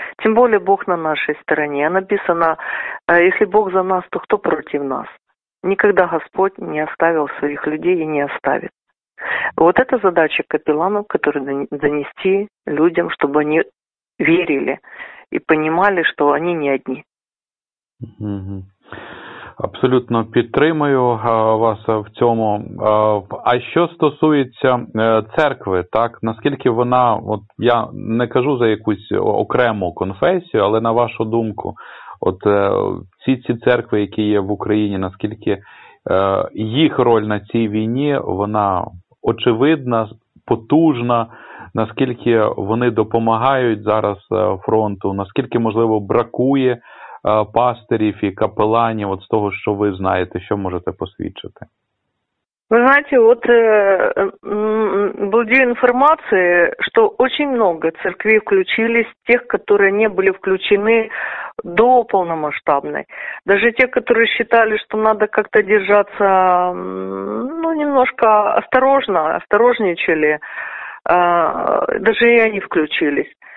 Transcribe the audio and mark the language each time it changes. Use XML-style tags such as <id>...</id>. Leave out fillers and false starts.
<ru>Тем более Бог на нашей стороне. Написано, если Бог за нас, то кто против нас? Никогда Господь не оставил своих людей и не оставит. Вот это задача капелланов, которую донести людям, чтобы они верили и понимали, что они не одни.</ru> <uk>Абсолютно підтримую вас в цьому. А що стосується церкви, так наскільки вона, от я не кажу за якусь окрему конфесію, але на вашу думку, от ці церкви, які є в Україні, наскільки їх роль на цій війні, вона очевидна, потужна, наскільки вони допомагають зараз фронту, наскільки, можливо, бракує пастирів і капеланів, от з того, що ви знаєте, що можете посвідчити.</uk> <ru>Вы знаете, вот благодаря информации, что очень много церквей включились, тех, которые не были включены до полномасштабной. Даже те, которые считали, что надо как-то держаться, ну, немножко осторожно, осторожничали, даже и они включились.</ru>